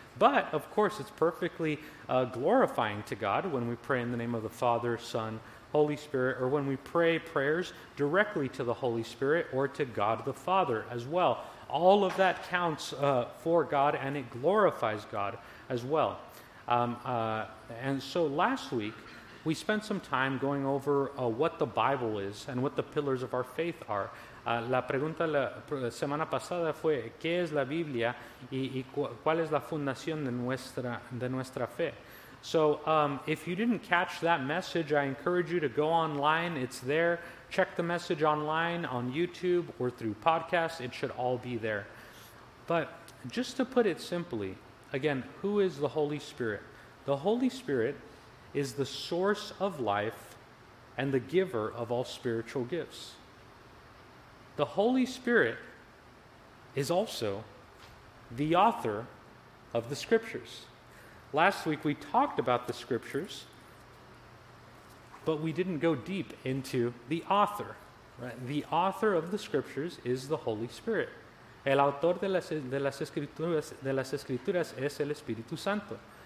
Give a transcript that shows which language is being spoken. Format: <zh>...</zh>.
<en>But of course, it's perfectly glorifying to God when we pray in the name of the Father, Son, Holy Spirit, or when we pray prayers directly to the Holy Spirit or to God the Father as well. All of that counts for God, and it glorifies God as well. And so last week, we spent some time going over what the Bible is and what the pillars of our faith are.</en> <es>La pregunta la semana pasada fue, ¿qué es la Biblia y cuál es la fundación de nuestra fe?</es> <en>So if you didn't catch that message, I encourage you to go online. It's there. Check the message online on YouTube or through podcasts. It should all be there. But just to put it simply, again, who is the Holy Spirit? The Holy Spirit is the source of life and the giver of all spiritual gifts. The Holy Spirit is also the author of the Scriptures. Last week we talked about the Scriptures, but we didn't go deep into the author. Right? The author of the Scriptures is the Holy Spirit.</en> <es>El autor de las escrituras es el Espíritu Santo.</es>